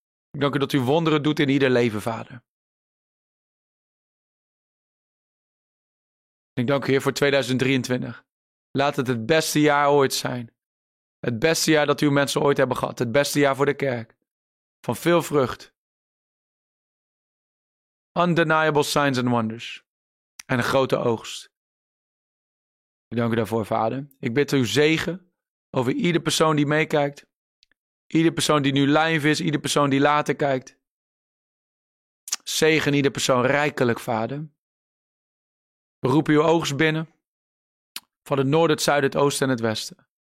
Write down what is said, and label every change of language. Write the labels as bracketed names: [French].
[Dutch] Ik dank u dat u wonderen doet in ieder leven, Vader. En ik dank u, Heer, voor 2023. Laat het beste jaar ooit zijn. Het beste jaar dat uw mensen ooit hebben gehad. Het beste jaar voor de kerk. Van veel vrucht. [English] Undeniable signs and wonders. [Dutch] En een grote oogst. Ik dank u daarvoor, Vader. Ik bid uw zegen over ieder persoon die meekijkt. Ieder persoon die nu live is. Ieder persoon die later kijkt. Zegen ieder persoon rijkelijk, Vader. We roepen uw oogst binnen. Van het noorden, het zuiden, het oosten en het westen.